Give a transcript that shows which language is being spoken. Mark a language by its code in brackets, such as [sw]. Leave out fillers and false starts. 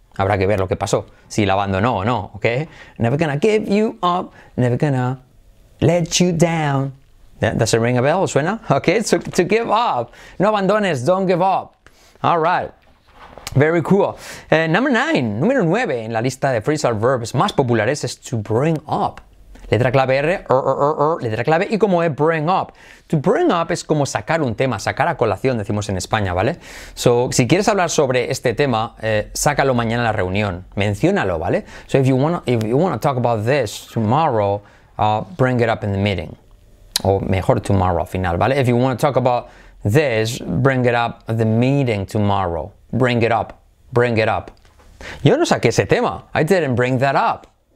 [es] Habrá que ver lo que pasó, si la abandonó o no, ¿ok? [en] Never gonna give you up, never gonna let you down. ¿Does it ring a bell? [es] ¿Suena? [en] Ok, so, to give up. [es] No abandones, [en] don't give up. All right, very cool. [es] Número 9 en la lista de phrasal verbs más populares es to bring up. Letra clave R, letra clave, y como es bring up. To bring up es como sacar un tema, sacar a colación, decimos en España, ¿vale? So, si quieres hablar sobre este tema, sácalo mañana en la reunión, menciónalo, ¿vale? [en] So, if you wanna talk about this tomorrow, bring it up in the meeting. [es] O mejor, tomorrow al final, ¿vale? [en] If you wanna talk about this, bring it up at the meeting tomorrow. Bring it up, bring it up. [es] Yo no saqué ese tema, [en] I didn't bring that up.